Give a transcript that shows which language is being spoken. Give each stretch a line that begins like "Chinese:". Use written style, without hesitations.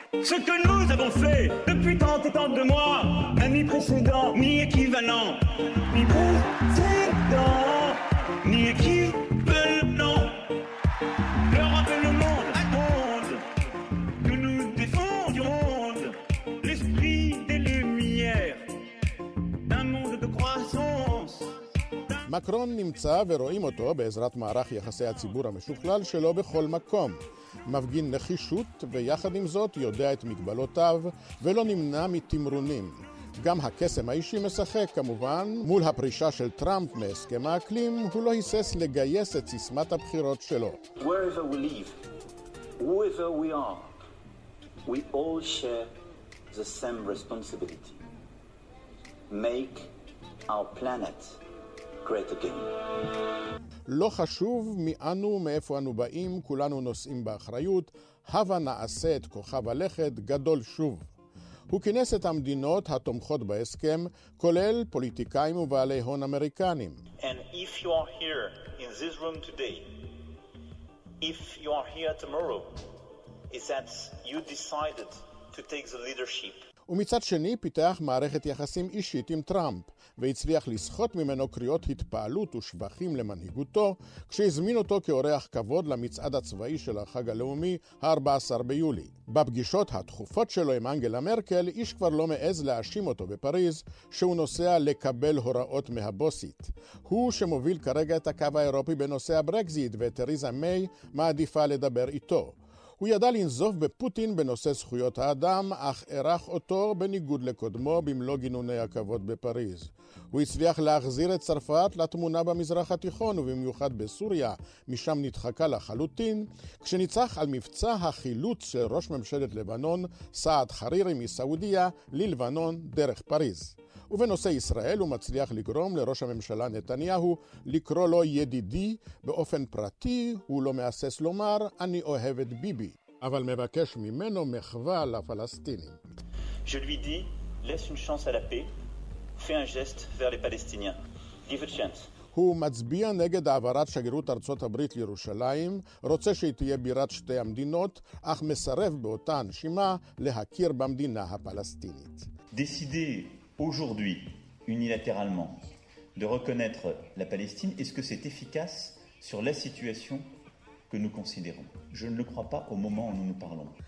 French: Ce que nous avons fait depuis 30 et tant de mois, ni précédent, ni équivalent, ni précédent, ni équivalent. L'Europe et le monde attendent que nous défendions l'esprit des lumières d'un monde de croissance.
Hebrew: Macron נמצא ורואים אותו בעזרת מערך יחסי הציבור המשוכלל שלו בכל מקום. מפגין נחישות ויחד עם זאת יודע את מגבלותיו ולא נמנע מתמרונים. גם הקסם האישי משחק כמובן. מול הפרישה של טראמפ מהסכם האקלים הוא לא היסס לגייס את סיסמת הבחירות שלו.
English: Wherever we live, whoever we are, we all share the same responsibility. Make our planet great again.
Hebrew: לא חשוב מאנו מאיפה אנו באים, כולנו נושאים באחריות, הבה נעשה את כוכב הלכת גדול שוב. הוא כינס את המדינות התומכות בהסכם, כולל פוליטיקאים ובעלי הון אמריקנים.
English: And if you are here in this room today, if you are here tomorrow, is that you decided to take the leadership.
Hebrew: ומצד שני פיתח מערכת יחסים אישית עם טראמפ, והצליח לסחוט ממנו קריאות התפעלות ושבחים למנהיגותו, כשהזמין אותו כאורח כבוד למצעד הצבאי של החג הלאומי ה-14 ביולי. בפגישות התכופות שלו עם אנגלה מרקל, איש כבר לא מעז להאשים אותו בפריז, שהוא נוסע לקבל הוראות מהבוסית. הוא שמוביל כרגע את הקו האירופי בנושא הברקזיט, ותריזה מיי מעדיפה לדבר איתו. הוא ידע לנזוף בפוטין בנושא זכויות האדם, אך ערך אותו בניגוד לקודמו במלוא גינוני הכבוד בפריז. הוא הצליח להחזיר את צרפת לתמונה במזרח התיכון ובמיוחד בסוריה, משם נדחקה לחלוטין, כשניצח על מבצע החילוץ של ראש ממשלת לבנון, סעד חרירי מסעודיה, ללבנון דרך פריז. ובנושא ישראל הוא מצליח לגרום לראש הממשלה נתניהו לקרוא לו ידידי באופן פרטי, הוא לא מאסס לומר אני אוהב את ביבי, אבל מבקש ממנו מחווה לפלסטינים.
French: Je lui dis laisse une chance à la paix, fais un geste vers les palestiniens,
English: give a chance.
Hebrew: הוא מצביע נגד העברת שגרירות ארצות הברית לירושלים, רוצה שהיא תהיה בירת שתי המדינות, אך מסרב באותה הנשימה להכיר במדינה הפלסטינית.
French: Décidé aujourd'hui unilatéralement de reconnaître la Palestine, est-ce que c'est efficace sur la situation que nous considérons. Je ne le crois pas au moment où nous nous parlons.